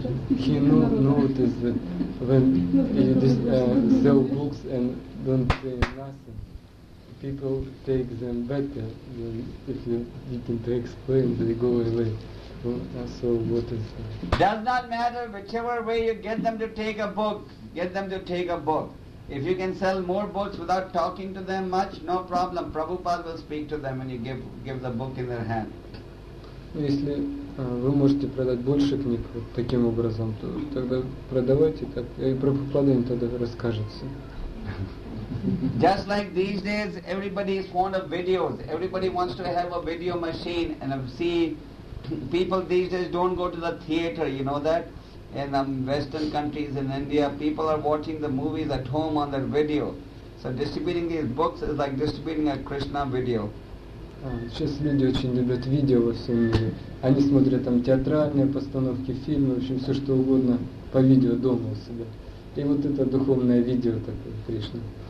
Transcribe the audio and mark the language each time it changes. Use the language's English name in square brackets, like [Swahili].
[English] He noticed that when you sell books and don't say nothing, people take them better than if you didn't explain, they go away. So what is that? Does not matter whichever way you get them to take a book, get them to take a book. If you can sell more books without talking to them much, no problem. Prabhupada will speak to them when you give the book in their hand. [Russian] Если вы можете продать больше книг таким образом, то тогда продавайте так, и Прабхупада им тогда расскажет все. [English] Just like these days, everybody is fond of videos. Everybody wants to have a video machine and see. People these days don't go to the theater, you know that? In Western countries, in India, people are watching the movies at home on their video. So distributing these books is like distributing a Krishna video. [Russian] Сейчас люди очень любят видео во всем мире. Они смотрят там театральные постановки, фильмы, в общем, все что угодно по видео дома у себя. И вот это духовное видео такое, Кришна.